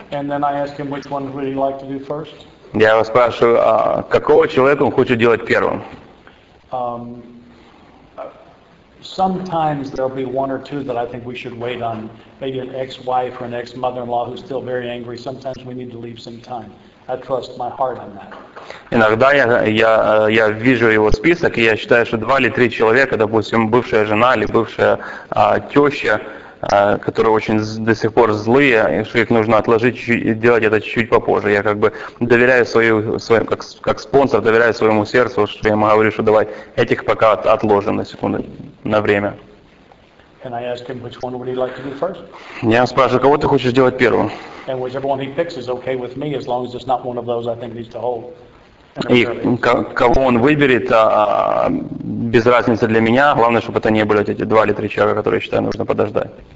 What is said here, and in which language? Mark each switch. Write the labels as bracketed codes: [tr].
[en] And then I ask him which one would he like to do first? [ru] Я его спрашиваю, какого человека он хочет делать первым? [en] Sometimes there'll be one or two that I think we should wait on, maybe an ex-wife or an ex-mother-in-law who's still very angry. Sometimes we need to leave some time. I trust my heart on that. [ru] Иногда я вижу его список, и я считаю, что два или три человека, допустим, бывшая жена или бывшая теща, которые очень до сих пор злые, и что их нужно отложить, делать это чуть-чуть попозже. Я как бы доверяю своим как спонсор, доверяю своему сердцу, что я ему говорю, что давай этих пока отложим на секунду, на время. [en] And I ask him, which one would he like to do first? [ru] Я спрашиваю, кого ты хочешь делать первым? [en] And whichever one he picks is okay with me, as long as it's not one of those I think needs to hold. [ru] И кого он выберет, без разницы для меня. Главное, чтобы это не были эти два или три человека, которые, я считаю, нужно подождать.